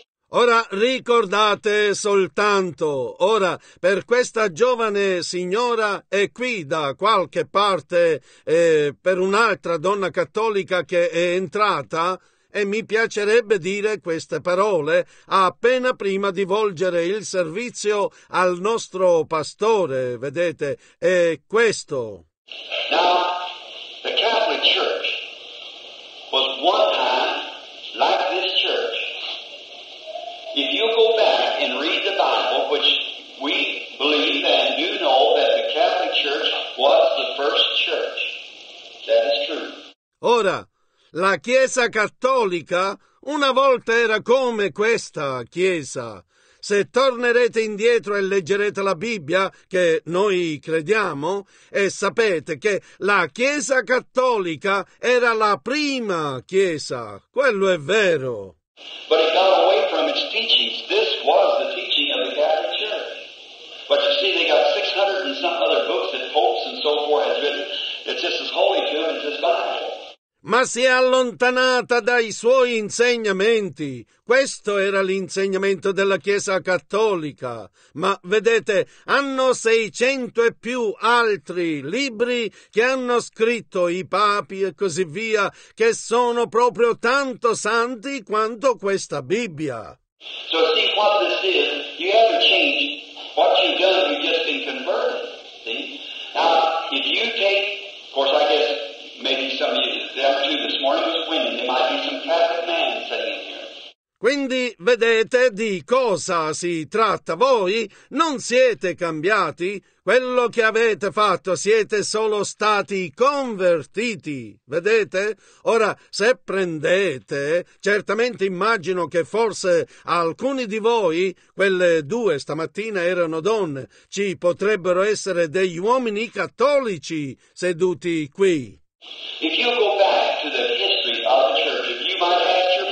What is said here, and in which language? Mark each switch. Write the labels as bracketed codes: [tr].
[it] Ora ricordate soltanto, ora per questa giovane signora è qui da qualche parte, per un'altra donna cattolica che è entrata, e mi piacerebbe dire queste parole appena prima di volgere il servizio al nostro pastore, vedete, è questo. [en] Now, the Catholic Church was one time like this church. If you go back and read the Bible, which we believe and do know that the Catholic Church was the first church, that is true. [it] Ora, la Chiesa Cattolica una volta era come questa Chiesa. Se tornerete indietro e leggerete la Bibbia, che noi crediamo, e sapete che la Chiesa Cattolica era la prima Chiesa, quello è vero. [en] But it got away from its teachings. This was the teaching of the Catholic Church. But you see, they got 600 and some other books that popes and so forth has written. It's just as holy to them as this Bible. [it] Ma si è allontanata dai suoi insegnamenti. Questo era l'insegnamento della Chiesa Cattolica. Ma vedete, hanno 600 e più altri libri che hanno scritto i papi e così via, che sono proprio tanto santi quanto questa Bibbia. [en] So see what this is. You haven't changed. What you've done, you've just been converted. See? Now, if you take, of course, I guess maybe some of you there are this morning with women. There might be some Catholic man sitting here. [it] Quindi vedete di cosa si tratta. Voi non siete cambiati. Quello che avete fatto, siete solo stati convertiti. Vedete? Ora, se prendete, certamente immagino che forse alcuni di voi, quelle due stamattina erano donne, ci potrebbero essere degli uomini cattolici seduti qui. [en] If you go back to the history of the church, if you might have...